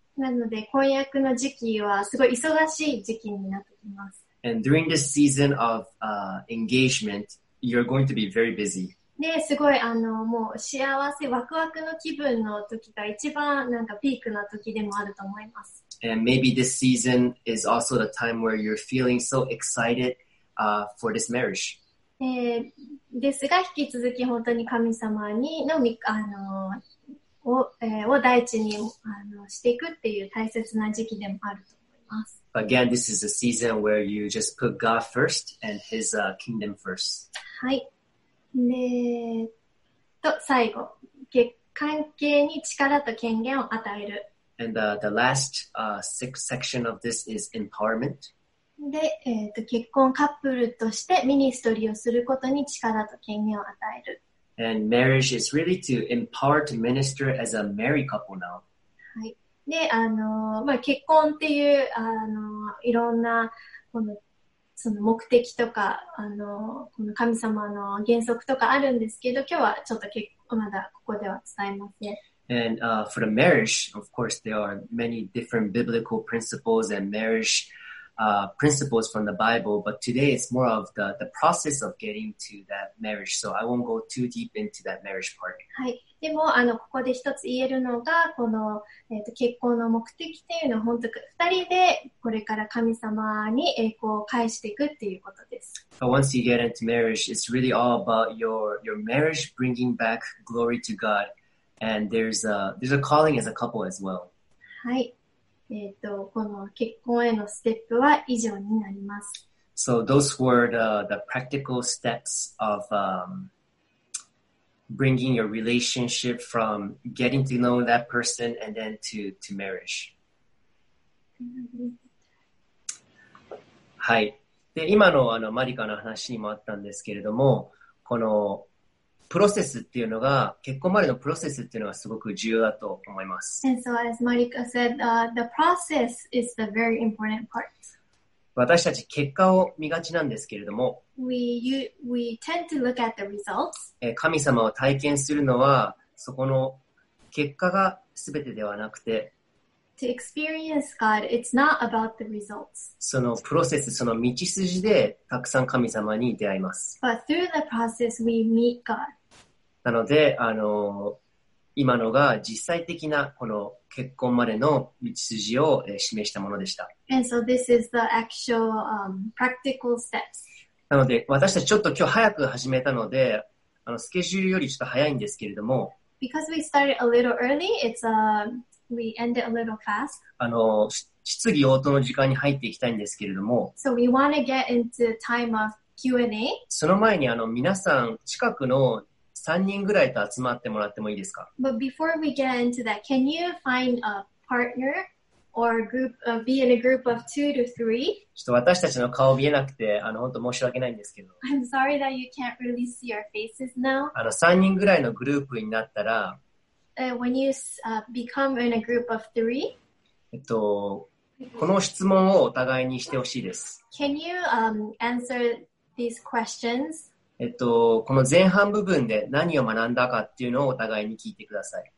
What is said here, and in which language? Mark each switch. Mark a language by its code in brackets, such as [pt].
[ja] なので婚約の時期はすごい忙しい時期になってきます。 [en] And during this season of engagement, you're going to be very busy. [ja] で、すごいもう幸せ、ワクワクの気分の時が一番なんかピークな時でもあると思います。 [en] And maybe this season is also the time where you're feeling so excited for this marriage. [ja] ですが、引き続き本当に神様にのみ、を第一にしていくっていう大切な時期でもあると思います。 [en] Again, this is a season where you just put God first and His kingdom first. [ja] はい。で、最後、関係に力と権限を与える。 [en] And the last sixth section of this is empowerment. [ja] で、結婚カップルとしてミニストリーをすることに力と権限を与える。 [en] And marriage is really to empower to minister as a married couple now. [ja] はい。で、結婚っていう、いろんな、その目的とか、この神様の原則とかあるんですけど、今日はちょっと結婚、まだここでは伝えません。 [en] And, for the marriage, of course, there are many different biblical principles and marriage, principles from the Bible, but today it's more of the process of getting to that marriage, so I won't go too deep into that marriage part. [ja] はい。でも、ここで一つ言えるのが、この、結婚の目的っていうのは、本当、二人でこれから神様に栄光を返していくっていうことです。 [en] But once you get into marriage, it's really all about your marriage bringing back glory to God. And there's a calling as a couple as well. [ja] はい。この結婚へのステップは以上になります。 [en] So those were the practical steps of, bringing your relationship from getting to know that person and then to marriage. [ja] はい。で、今のマリカの話にもあったんですけれども、このプロセスっていうのが、結婚までのプロセスっていうのがすごく重要だと思います。 [en] And so as Marika said, the process is the very important part. [ja] 私たち結果を見がちなんですけれども、 [en] we tend to look at the results. [ja] 神様を体験するのは、そこの結果が全てではなくて、 [en] to experience God, it's not about the results. [ja] そのプロセス、その道筋でたくさん神様に出会います。 [en] But through the process, we meet God. [ja] なので、今のが実際的なこの結婚までの道筋を示したものでした。 [en] And so this is the actual, practical steps. [ja] なので、私たちちょっと今日早く始めたので、スケジュールよりちょっと早いんですけれども。 [en] Because we started a little early, it's a... We ended a little fast. [ja] 質疑応答の時間に入っていきたいんですけれども、 [en] so、we wanna get into time of Q&A. [ja] その前に皆さん近くの3人ぐらいと集まってもらってもいいですか [en] But before we get into that, can you find a partner or group, be in a group of 2 to 3? [ja] ちょっと私たちの顔見えなくて本当申し訳ないんですけど [en] I'm sorry that you can't really see our faces now. [ja] 3人ぐらいのグループになったら [en] When you become in a group of three, [ja] この質問をお互いにしてほしいです。 [en] Can you answer these questions? [ja] この前半部分で何を学んだかっていうのをお互いに聞いてください。